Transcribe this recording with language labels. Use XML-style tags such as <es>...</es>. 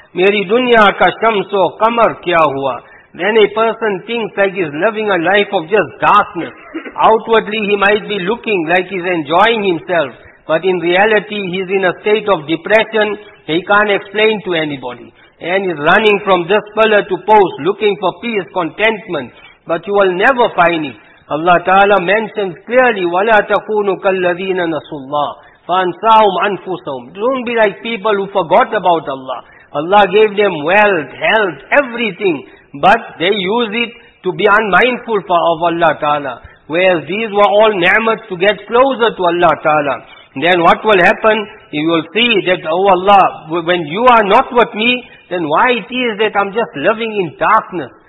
<ur>Meri dunya ka shamso kamar kya hua.</ur> <en>Then a person thinks like he's living a life of just darkness. Outwardly he might be looking like he's enjoying himself. But in reality he's in a state of depression. He can't explain to anybody. And he's running from this pillar to post, looking for peace, contentment. But you will never find it. Allah Ta'ala mentions clearly,</en> <ar>وَلَا تَكُونُ كَالَّذِينَ نَسُوا اللَّهِ فَأَنْسَاهُمْ أَنْفُسَهُمْ.</ar> <en>Don't be like people who forgot about Allah. Allah gave them wealth, health, everything. But they use it to be unmindful of Allah Ta'ala. Whereas these were all ni'mat to get closer to Allah Ta'ala. Then what will happen? You will see that, oh Allah, when you are not with me, then why it is that I'm just living in darkness?</en>